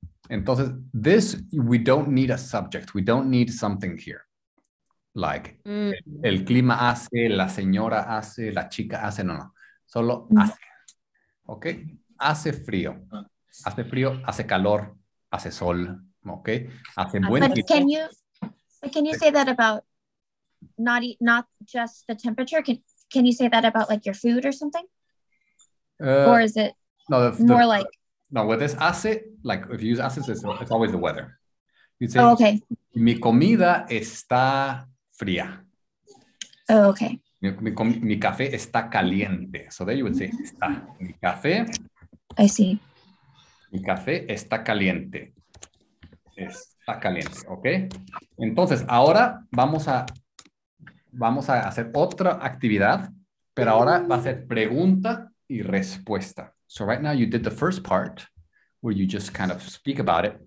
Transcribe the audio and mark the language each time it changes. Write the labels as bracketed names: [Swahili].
[English] Entonces, this, we don't need a subject, we don't need something here. [Spanish] Like, el clima hace, la señora hace, la chica hace, no, solo hace, ok, hace frío, hace calor, hace sol, ok, hace buen tiempo. [English] Can you say that about not just the temperature, can you say that about like your food or something? Or is it No, with this hace, like if you use hace, it's always the weather. You'd say, oh, okay. [Spanish] Mi comida está fría. [English] Oh, okay. [Spanish] Mi café está caliente. [English] So there you would say, [Spanish] está. Mi café. [English] I see. [Spanish] Mi café está caliente. Está caliente, okay? Entonces, ahora vamos a hacer otra actividad, pero ahora va a ser pregunta y respuesta. [English] So right now you did the first part where you just kind of speak about it.